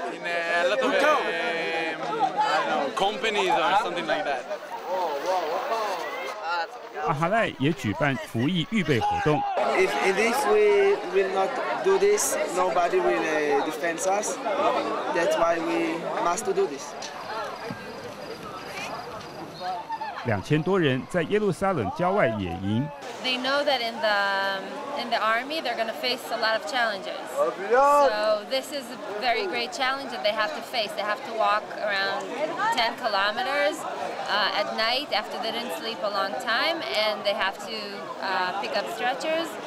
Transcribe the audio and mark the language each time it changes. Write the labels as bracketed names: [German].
[English] In a lot of companies or something like that. [Chinese] 阿哈赖也举办服役预备活动。 [English] If this we will not do this, nobody will defend us. That's why we must do this. [Chinese] 2000多人在耶路撒冷郊外野营。 [English] They know that in the army they're going to face a lot of challenges. So this is a very great challenge that they have to face. They have to walk around 10 kilometers at night after they didn't sleep a long time, and they have to pick up stretchers.